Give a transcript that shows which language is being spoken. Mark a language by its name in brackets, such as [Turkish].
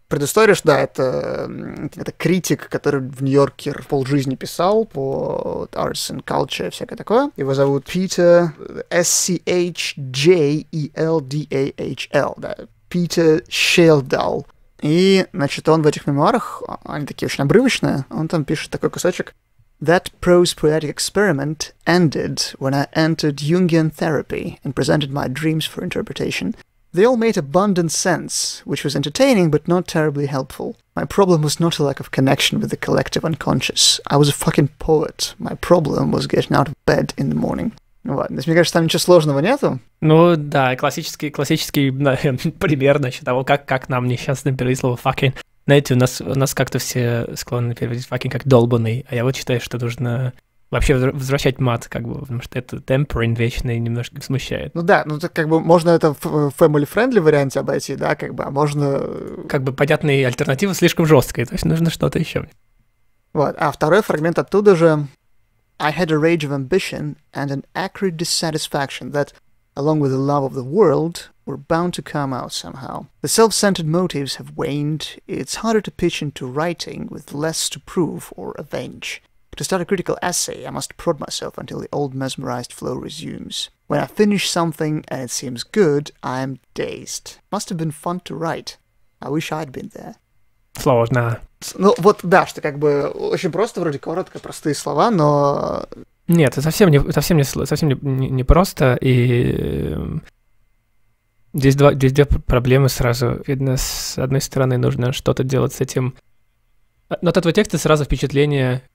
[Russian] Предыстория, что да, это критик, который в Нью-Йоркер полжизни писал по [English] arts and culture, [Russian] всякое такое. Его зовут Питер S-C-H-J-E-L-D-A-H-L, да, Питер Шелдал. И, значит, он в этих мемуарах, они такие очень обрывочные, он там пишет такой кусочек. [English] That prose poetic experiment ended when I entered Jungian therapy and presented my dreams for interpretation. They all made abundant sense, which was entertaining, but not terribly helpful. My problem was not a lack of connection with the collective unconscious. I was a fucking poet. My problem was getting out of bed in the morning. [Russian] Вот, мне кажется, там ничего сложного нету. Ну да, классический пример, значит, того, как нам несчастно перевести слово fucking. Знаете, у нас как-то все склонны переводить fucking как долбанный, а я вот считаю, что нужно вообще возвращать мат, как бы, потому что это tempering вечный немножко смущает. Ну да, ну так как бы можно это в family-friendly варианте обойти, да, как бы, а можно... Как бы понятные альтернативы слишком жесткие, то есть нужно что-то еще. Вот, а второй фрагмент оттуда же. [English] I had a rage of ambition and an acrid dissatisfaction that, along with the love of the world, were bound to come out somehow. The self-centered motives have waned. It's harder to pitch into writing with less to prove or avenge. To start a critical essay, I must prod myself until the old mesmerized flow resumes. When I finish something and it seems good, I am dazed. Must have been fun to write. I wish I'd been there. [Russian] Сложно. Ну вот, да, что как бы очень просто, вроде коротко, простые слова, но... Нет, это совсем не просто, и здесь две проблемы сразу. Видно, с одной стороны, нужно что-то делать с этим. Но от этого текста сразу впечатление...